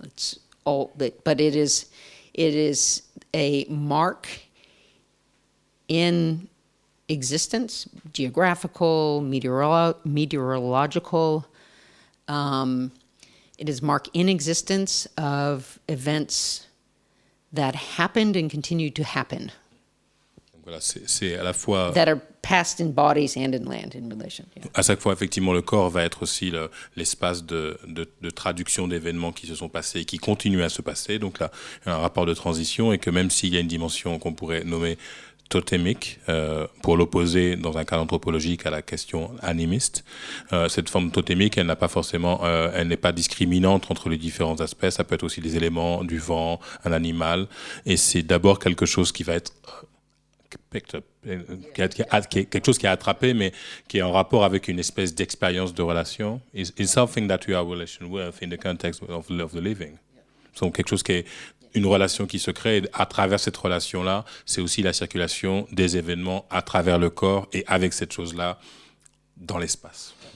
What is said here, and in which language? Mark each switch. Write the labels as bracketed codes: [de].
[en] It's all, but it is a mark in existence, geographical, meteorological. It is mark in existence of events that happened and continue to happen. [fr] Voilà, c'est à la fois [en] that are passed in bodies and in land in relation. Yeah. [fr] À chaque fois, effectivement, le corps va être aussi l'espace de traduction d'événements qui se sont passés et qui continuent à se passer. Donc là, un rapport de transition et que même s'il y a une dimension qu'on pourrait nommer totémique, pour l'opposer dans un cadre anthropologique à la question animiste, cette forme totémique, elle n'a pas forcément, elle n'est pas discriminante entre les différents aspects. Ça peut être aussi des éléments, du vent, un animal. Et c'est d'abord quelque chose qui va être quelque chose qui a attrapé, mais qui est en rapport avec une espèce d'expérience de relation. [en] It's something that you have a relation with in the context of the living. [fr] Donc quelque chose qui est une relation qui se crée, à travers cette relation-là, c'est aussi la circulation des événements à travers le corps et avec cette chose-là dans l'espace.